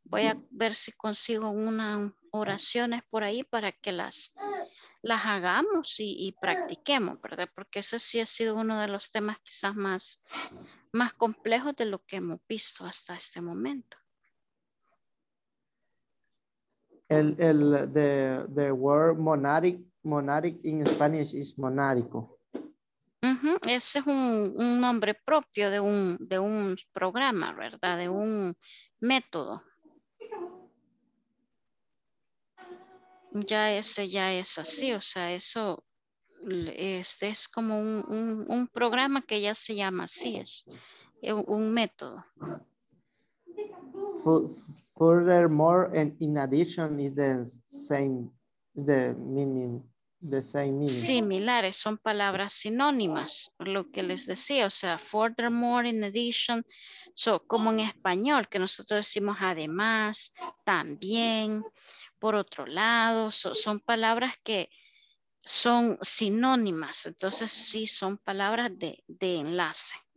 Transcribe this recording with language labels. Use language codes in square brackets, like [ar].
[es] Voy a ver si consigo unas oraciones por ahí para que las hagamos y practiquemos, ¿verdad? Porque ese sí ha sido uno de los temas quizás más complejos de lo que hemos visto hasta este momento. [en] El the word monadic in Spanish is monadico. Uh-huh. [es] Ese es un nombre propio de un programa, ¿verdad? De un método. Ya ese ya es así, o sea, eso es como un programa que ya se llama así, es un método. [en] Furthermore, and in addition is the same meaning. [es] Similares, son palabras sinónimas, lo que les decía, o sea, furthermore, in addition, so, como en español, que nosotros decimos además, también, por otro lado, son palabras que son sinónimas, entonces sí, son palabras de enlace.